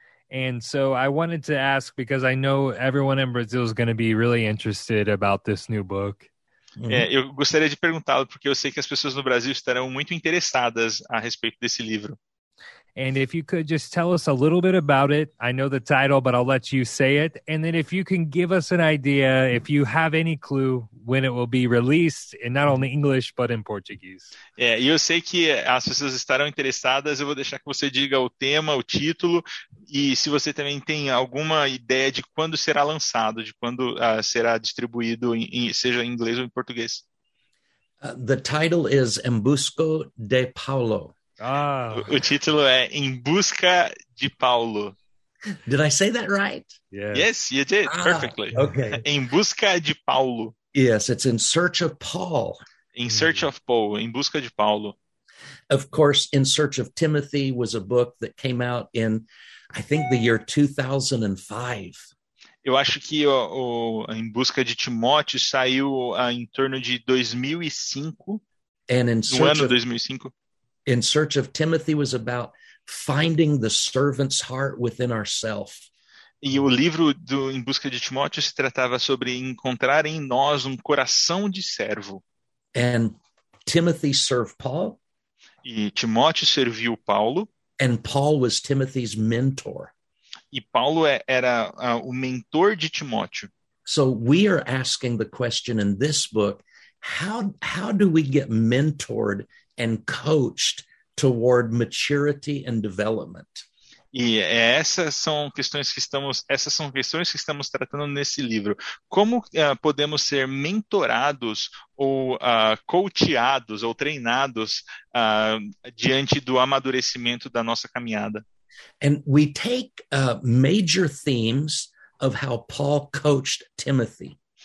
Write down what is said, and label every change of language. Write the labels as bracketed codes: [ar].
[en] And so I wanted to ask, because I know everyone in Brazil is going to be really interested about this new book. Mm-hmm. [pt] Eu gostaria de perguntá-lo, porque eu sei que as pessoas no Brasil estarão muito interessadas a respeito desse livro. [en] And if you could just tell us a little bit about it. I know the title, but I'll let you say it. And then if you can give us an idea, if you have any clue, when it will be released, and not only English, but in Portuguese. [pt] Eu sei que as pessoas estarão interessadas. Eu vou deixar que você diga o tema, o título, e se você também tem alguma ideia de quando será lançado, de quando será distribuído, seja em inglês ou em português. [en] The title is Embusco de Paulo. [pt] Ah. O título é Em Busca de Paulo. [en] Did I say that right? Yes, you did perfectly. Okay. [pt] Em Busca de Paulo. [en] Yes, it's In Search of Paul. In Search of Paul, Em Busca de Paulo. Of course, In Search of Timothy was a book that came out in, I think, the year 2005. [pt] Eu acho que o Em Busca de Timóteo saiu em torno de 2005. [en] And in [pt] no ano 2005. [en] In Search of Timothy was about finding the servant's heart within ourselves. [pt] E o livro do Em Busca de Timóteo se tratava sobre encontrar em nós um coração de servo. [en] And Timothy served Paul. [pt] E Timóteo serviu Paulo. [en] And Paul was Timothy's mentor. [pt] E Paulo era o mentor de Timóteo. [en] So we are asking the question in this book, how do we get mentored and coached toward maturity and development? [pt] E essas são questões que estamos tratando nesse livro. Como podemos ser mentorados ou coacheados ou treinados diante do amadurecimento da nossa caminhada? [en] And we take major themes of how Paul coached Timothy.